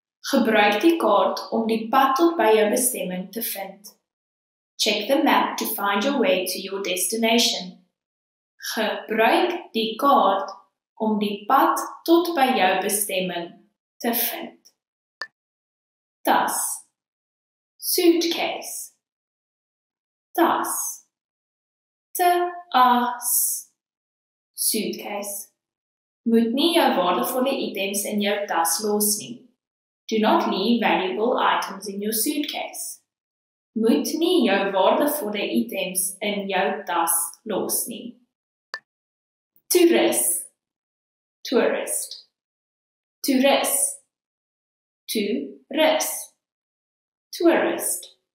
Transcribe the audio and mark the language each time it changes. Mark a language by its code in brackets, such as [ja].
[af] Gebruik die kaart om die pad tot by jou bestemming te vind. [en] Check the map to find your way to your destination. [af] Gebruik die kaart om die pad tot by jou bestemming te vind. Tas. Suitcase. Tas. Tas. Suitcase. Moet nie jou waardevolle items in jou tas los nie. [en] Do not leave valuable items in your suitcase. [af] Moet nie jou waardevolle items in jou tas los nie. [en] Tourist. Tourist. Tourist. Tourist. Tourist.